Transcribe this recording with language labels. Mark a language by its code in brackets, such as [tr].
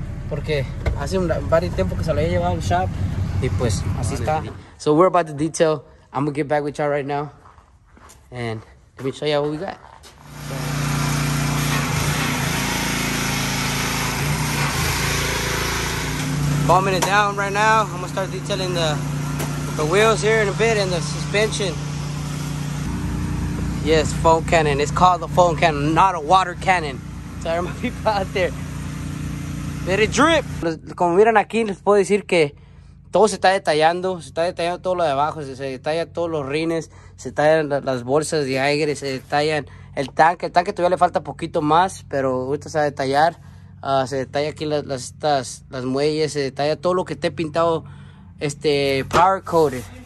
[es] Porque hace un par de tiempo que se lo había llevado al shop. Y pues, así está. [en] So we're about to detail. I'm gonna get back with y'all right now. And let me show y'all what we got. Bombing it down right now. I'm gonna start detailing the wheels here in a bit and the suspension. Yes, foam cannon. It's called the foam cannon, not a water cannon. Sorry, my people out there. Let it drip. [es] Como miran aquí, les puedo decir que todo se está detallando todo lo de abajo, se detallan todos los rines, se detallan las bolsas de aire, se detallan el tanque todavía le falta poquito más, pero ahorita se va a detallar, se detalla aquí las muelles, se detalla todo lo que esté pintado, este, power coated.